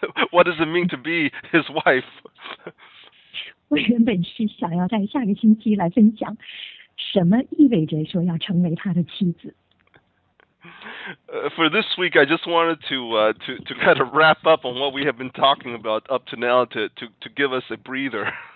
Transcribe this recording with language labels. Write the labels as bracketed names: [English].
[English] What does it mean to be his wife? [Chinese] 我原本是想要在下个星期来分享什么意味着说要成为他的妻子。 [English] For this week, I just wanted to kind of wrap up on what we have been talking about up to now to give us a breather.